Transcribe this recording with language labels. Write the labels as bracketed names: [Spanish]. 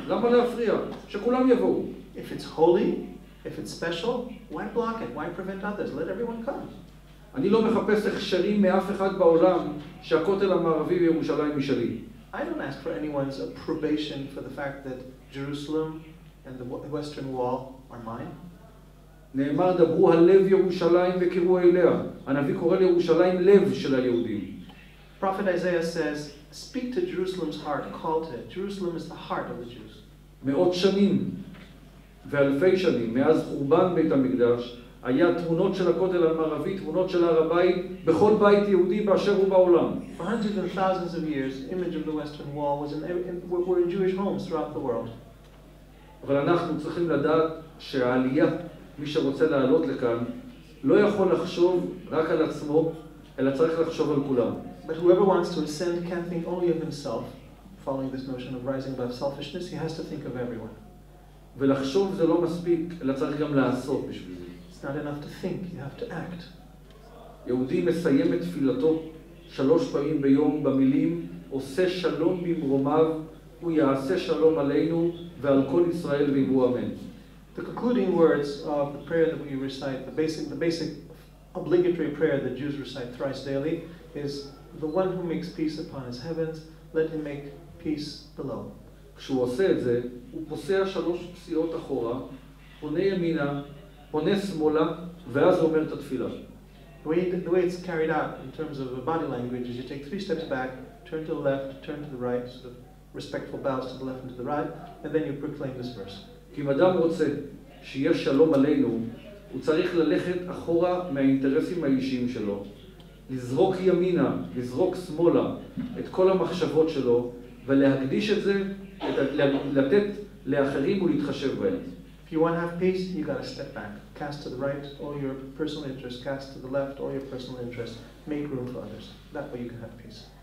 [Hebrew] למה להפריע? שכולם יבואו. [English] If it's holy, if it's special, why block it? Why prevent others? Let everyone come. [Hebrew] אני לא מחפש הכשרים מאף אחד בעולם שהכותל המערבי בירושלים משלי. [English] I don't ask for anyone's approbation for the fact that Jerusalem and the Western Wall are mine. [Hebrew] נאמר דברו הלב ירושלים וקראו אליה. הנביא קורא לירושלים לב של היהודים. [English] Prophet Isaiah says, speak to Jerusalem's heart, call to it. Jerusalem is the heart of the Jews. [Hebrew] מאות שנים ואלפי שנים מאז חורבן בית המקדש, היה תמונות של הכותל המערבי, תמונות של הר הבית, בכל בית יהודי באשר הוא בעולם. [English] For hundreds and thousands of years, the image of the Western Wall was in Jewish homes throughout the world. [Hebrew] אבל אנחנו צריכים לדעת שהעלייה, מי שרוצה לעלות לכאן, לא יכול לחשוב רק על עצמו, אלא צריך לחשוב על כולם. [English] But whoever wants to ascend can't think only of himself, following this notion of rising above selfishness, he has to think of everyone. [Hebrew] ולחשוב זה לא מספיק, אלא צריך גם לעשות בשביל זה. [English] It's not enough to think, you have to act. [Hebrew] יהודי מסיים את תפילתו שלוש פעמים ביום במילים, עושה שלום במרומיו, הוא יעשה שלום עלינו ועל כל ישראל ויבואו אמן. [English] The concluding words of the prayer that we recite, the basic obligatory prayer that Jews recite thrice daily, is the one who makes peace upon his heavens, let him make peace below. [Hebrew] כשהוא עושה את זה, הוא פוסע שלוש פסיעות אחורה, פונה ימינה, פונה שמאלה, ואז אומר את התפילה. [English] The way it's carried out in terms of a body language is you take three steps back, turn to the left, turn to the right, sort of respectful bows to the left and to the right, and then you proclaim this verse. [Hebrew] כי אם אדם רוצה שיהיה שלום עלינו, הוא צריך ללכת אחורה מהאינטרסים האישיים שלו, לזרוק ימינה, לזרוק שמאלה את כל המחשבות שלו, ולהקדיש את זה, לתת לאחרים ולהתחשב בהם. [English] If you want to have peace, you got to step back. Cast to the right all your personal interests, cast to the left all your personal interests. Make room for others. That way you can have peace.